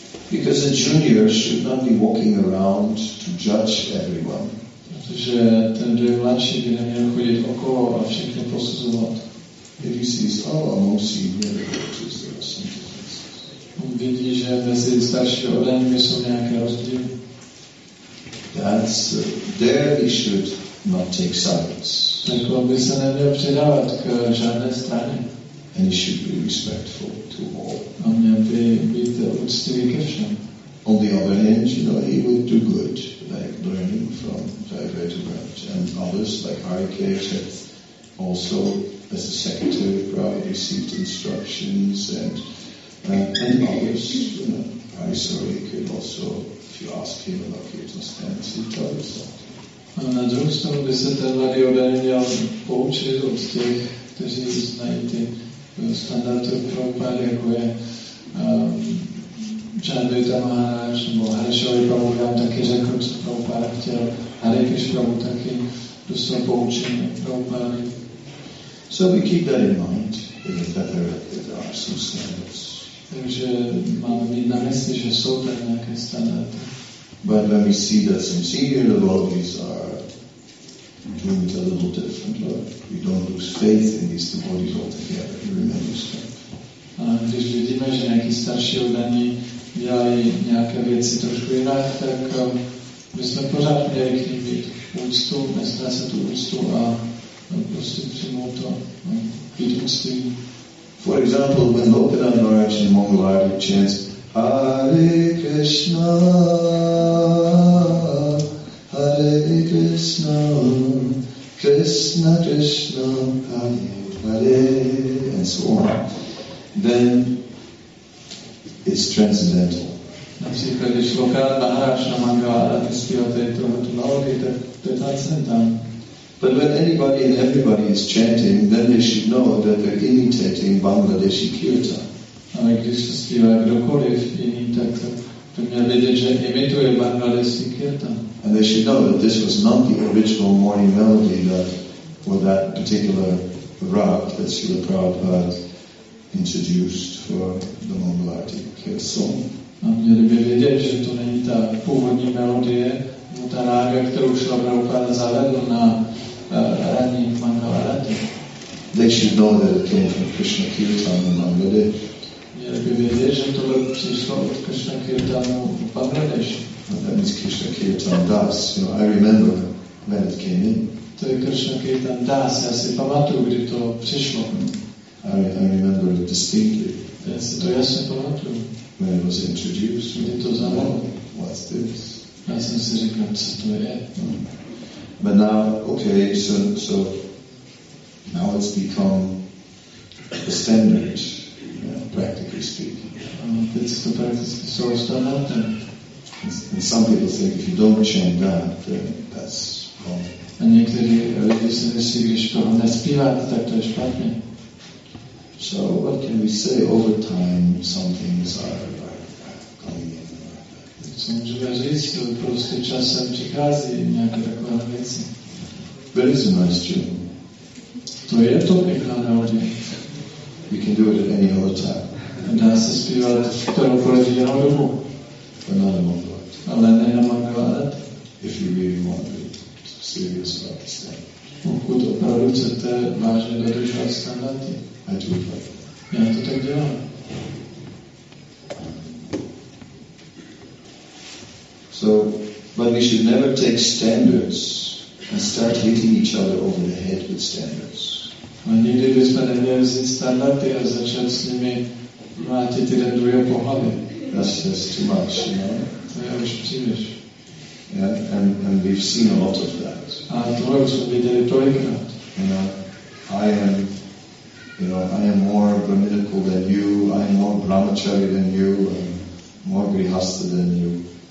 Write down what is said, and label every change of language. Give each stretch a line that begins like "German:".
English: Because a junior should not be walking around to judge everyone.
Czech: Protože ten, kdo je mladší, by neměl chodit okolo a všechny posuzovat.
English: If he sees, oh, among senior devotees, there are some differences.
Czech: On vidí, že mezi starší odaními jsou nějaké rozdíly.
English: That's, there he should not take sides.
Czech: Tak on by se neměl předávat k žádné straně.
English: And he should be respectful to all.
Czech: A měl by být úctivý ke všem.
English: On the other hand, you know, he would do good, like learning from Jayadvaita Maharaj and others, like Hari Keshet, also as the secretary of Prabhupada received instructions and others, you know, Hari Sarai could also, if you ask him about kirtan standards, he'd tell you something.
Czech: A na druhou stranu by se ten mladý odaný měl poučit od těch, kteří znají ty standardy Prabhupada, jako je Jayadvaita Maharaj, nebo Hari Sarai Prabhupada, on taky řekl, co Prabhupada chtěl, Hari Krishna Prabhupada taky dostal poučení Prabhupada.
English: So we keep that in mind, that there are some standards.
Czech: Takže máme mít na mysli, že jsou tady nějaké standardy.
English: But when we see that some senior devotees are doing it a little different, we don't lose faith in these devotees altogether. We remember strength.
Czech: A když vidíme, že nějaký starší oddaní dělají nějaké věci trošku jinak, tak my jsme pořád měli k ním být úctu, nestrácet tu úctu a prostě přijmout to být úctivý.
English: For example, when Lokanath Maharaj in Mongol Arctic chants Hare Krishna, Hare Krishna, Krishna Krishna, Hare Hare, and so on, then it's transcendental.
Czech: Například, když Lokanath Maharaj na Mongol Arctic zpívá tyto melodie, tak to je transcendental.
English: But when anybody and everybody is chanting, then they should know that they're imitating Bangladeshi kirtan.
Czech: Ale když se zpívá kdokoliv jiný, tak to měl vědět, že imituje Bangladeshi kirtan.
English: And they should know that this was not the original morning melody that, or that particular rag that Srila Prabhupada introduced for the Mongol Arctic kirtan.
Czech: A měli by vědět, že to není ta původní melodie, no ta rága, kterou Srila Prabhupada zavedl na ranní Mangalarati.
English: they should know that it came from Krishna Kirtan in Bangladesh. That means Krishna Kirtan Das. You know, I remember when it came in.
Czech: To je Krishna Kirtan Das, ja si pamatuju kdy to přišlo.
English: I remember it distinctly.
Czech: To ja si pamatuju.
English: When it was introduced.
Czech: Kdy to zavolal.
English: What's this?
Czech: Ja jsem si řekl, co to je.
English: But now, okay, so now it's become the standard, practically speaking. It's the practice, so it's done out there. And some people think if you don't chant that, then that's wrong.
Czech: A někteří lidi si myslí, když toho nespíváte, tak to je špatně.
English: So what can we say? Over time, some things are coming in.
Czech: Co můžeme říct, to prostě časem přichází nějaké takové věci.
English: But it's a nice tune.
Czech: To je to pěkná melodie.
English: You can do it at any other time.
Czech: A dá se zpívat v kteroukoliv jinou dobu.
English: But not in Mangalat.
Czech: Ale ne na Mangalat.
English: If you really want to. Serious about this thing.
Czech: Pokud opravdu chcete vážně dodržovat standardy,
English: I do it like
Czech: that. Já to tak dělám.
English: So, but we should never take standards and start hitting each other over the head with standards.
Czech: A nikdy bychom neměli vzít standardy a začít s nimi mlátit jeden druhého po hlavě.
English: That's too much, you know?
Czech: To je už příliš.
English: Yeah, and we've seen a lot of that. I am more brahminical than you, I am more brahmachari than you, and more grihastha than you.